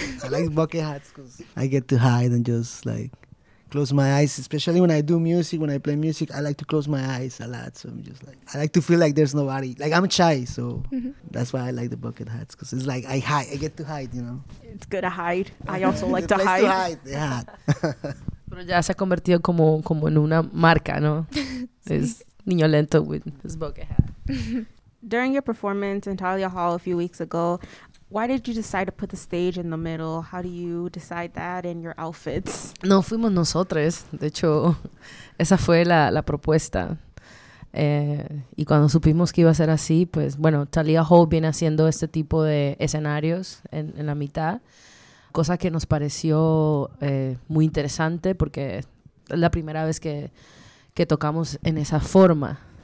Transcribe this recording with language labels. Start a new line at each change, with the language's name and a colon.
English: I like bucket hats because I get to hide and just like close my eyes. Especially when I do music, when I play music, I like to close my eyes a lot. So I'm just like, I like to feel like there's nobody. Like I'm shy, so that's why I like the bucket hats, because it's like I hide. I get to hide, you know. It's good to hide. I also like to hide. To hide the hat.
Spanish: Pero ya se ha convertido como en una marca, ¿no?
English: Es Niño Lento with his bucket hat. During your performance in Talia Hall a few weeks ago, why did you decide to put the stage in the middle? How do you decide that in your outfits?
Spanish: No fuimos nosotros. De hecho, esa fue la propuesta. Y cuando supimos que iba a ser así, pues bueno, Talia Hall viene haciendo este tipo de escenarios en la mitad, cosa que nos pareció muy interesante porque es la primera vez que tocamos en esa forma.